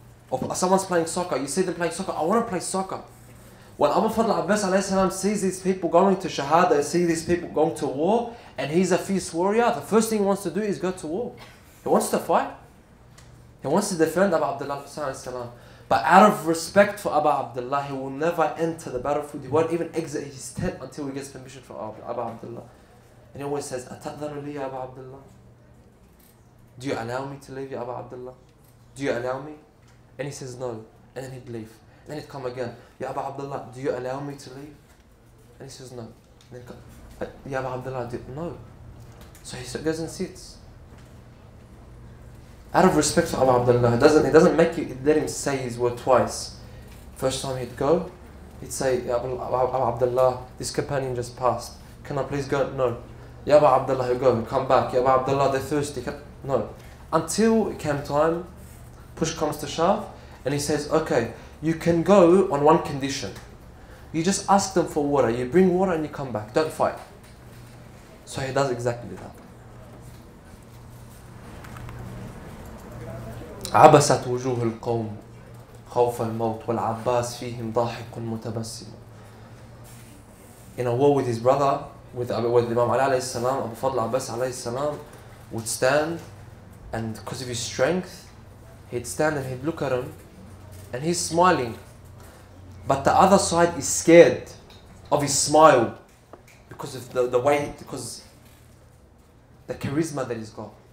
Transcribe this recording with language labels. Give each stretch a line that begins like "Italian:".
English: Or someone's playing soccer, you see them playing soccer, I want to play soccer. When Abu Fadl Abbas alayhi salam sees these people going to Shahada, see these people going to war, and he's a fierce warrior, the first thing he wants to do is go to war. He wants to fight. He wants to defend Abu Abdullah alayhi salam. But out of respect for Abu Abdullah, he will never enter the battlefield. He won't even exit his tent until he gets permission from Abu Abdullah.
Arabic: And he always says, أتأذن لي أبا عبد الله?
English: Do you allow me to leave you, Abu Abdullah? Do you allow me? And he says, no. And then he'd leave. Then he'd come again. Ya Abu Abdullah, do you allow me to leave? And he says, no. And then come, ya Abu Abdullah, no. So he goes and sits. Out of respect for Abu Abdullah, he doesn't make you let him say his word twice. First time he'd go, he'd say, ya Abu Abdullah, this companion just passed. Can I please go? No. Ya Abu Abdullah, go, come back. Ya Abu Abdullah, they're thirsty. No. Until it came time, push comes to shove, and he says, okay, you can go on one condition. You just ask them for water. You bring water and you come back. Don't fight. So he does exactly that.
Arabic: عبست وجوه القوم خوف الموت والعباس فيهم ضاحك متبسم.
English: In a war with his brother, with Imam Ali alayhi salam, Abu Fadl Abbas alayhi salam would stand, and because of his strength, he'd stand and he'd look at him, and he's smiling. But the other side is scared of his smile because of the way, because the charisma that he's got.